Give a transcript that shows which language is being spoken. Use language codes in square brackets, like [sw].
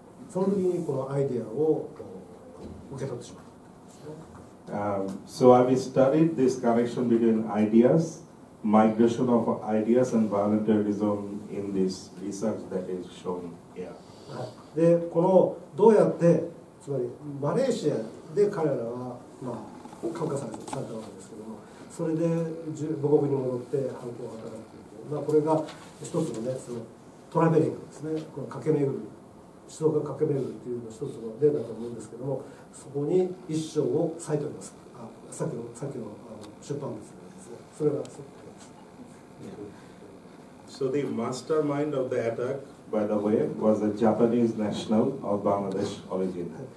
[ja] その時にこのアイデアを受け取ってしまった。 [en] So I've studied this connection between ideas, migration of ideas and violent terrorism in this research that is shown here. [ja] で、このどうやって、つまりマレーシアで彼らは、まあ、感化されたわけですけど、それで母国に戻って犯行を働くという、まあ、これが一つのね、そのトラベリングですね、この駆け巡る、思想が駆け巡るというのが一つの例だと思うんですけども、そこに一章を割いております、さっきの出版物ですね、それがそこです。 [en] So the mastermind of the attack, by the way, was a Japanese national of Bangladesh origin.